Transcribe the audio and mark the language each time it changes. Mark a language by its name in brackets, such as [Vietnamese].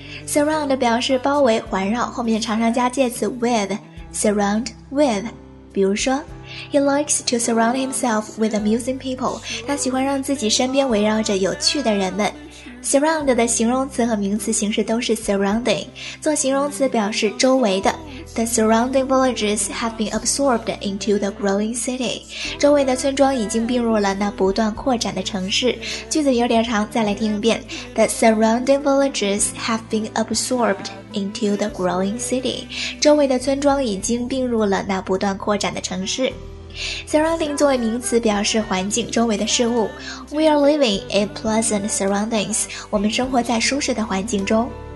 [Chinese] Surround 表示包围环绕，后面常常加介词 with, surround with, 比如说 [English] He likes to surround himself with amusing people, [Chinese] 他喜欢让自己身边围绕着有趣的人们。 Surround 的形容词和名词形式都是 surrounding, 做形容词表示周围的。 [English] The surrounding villages have been absorbed into the growing city. [Chinese] 周围的村庄已经并入了那不断扩展的城市。句子有点长，再来听一遍。 [English] The surrounding villages have been absorbed into the growing city. [Chinese] 周围的村庄已经并入了那不断扩展的城市。 Surrounding 作为名词表示环境，周围的事物。 [English] We are living in pleasant surroundings. [Chinese] 我们生活在舒适的环境中。